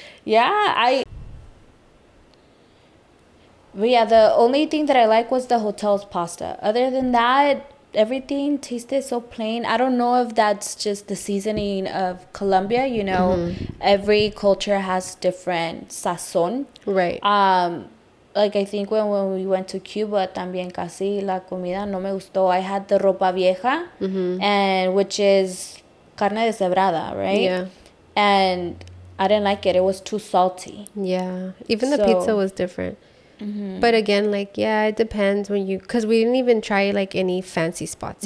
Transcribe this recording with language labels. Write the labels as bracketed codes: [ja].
[en] Yeah, But yeah, the only thing that I like was the hotel's pasta. Other than that, everything tasted so plain. I don't know if that's just the seasoning of Colombia, you know. Every culture has different sazón. Right. Like, I think when we went to Cuba, [es] también casi la comida no me gustó. [en] I had the ropa vieja, and which is carne deshebrada, right? Yeah. And I didn't like it. It was too salty. Yeah. Even the pizza was different. But again, like, yeah, it depends when you, because we didn't even try like any fancy spots